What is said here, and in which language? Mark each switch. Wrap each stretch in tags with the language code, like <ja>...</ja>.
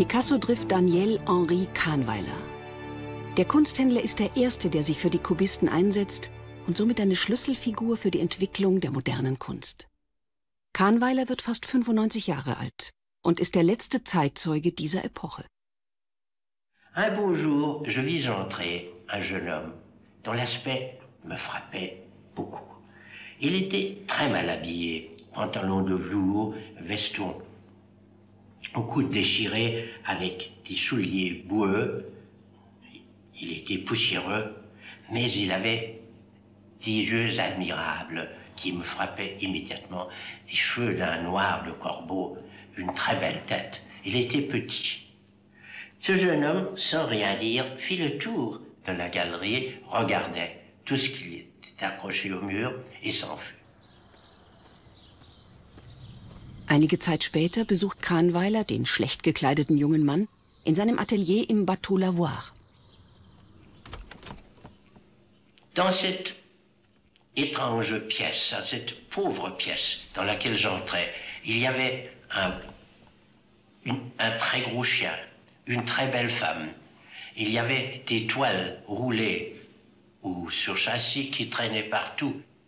<de>Picasso trifft Daniel Henri Kahnweiler. Der Kunsthändler ist der Erste, der sich für die Kubisten einsetzt und somit eine Schlüsselfigur für die Entwicklung der modernen Kunst. Kahnweiler wird fast 95 Jahre alt und ist der letzte Zeitzeuge dieser Epoche.</de> <fr>Un beau jour, je vis entrer un jeune homme, dont l'aspect me frappait beaucoup. Il était très mal habillé, pantalon de velours, veston, au cou déchiré avec des souliers boueux. Il était poussiéreux, mais il avait des yeux admirables qui me frappaient immédiatement, les cheveux d'un noir de corbeau, une très belle tête. Il était petit. Ce jeune homme, sans rien dire, fit le tour de la galerie, regardait tout ce qu'il y avait.</fr> <de>Einige Zeit später besucht Kahnweiler den schlecht gekleideten jungen Mann in seinem Atelier im Bateau Lavoir.</de> <fr>Dans cette étrange pièce, cette pauvre pièce dans laquelle j'entrais, il y avait un très gros chien, une très belle femme. Il y avait des toiles roulées ou sur châssis qui traînait partout.</fr>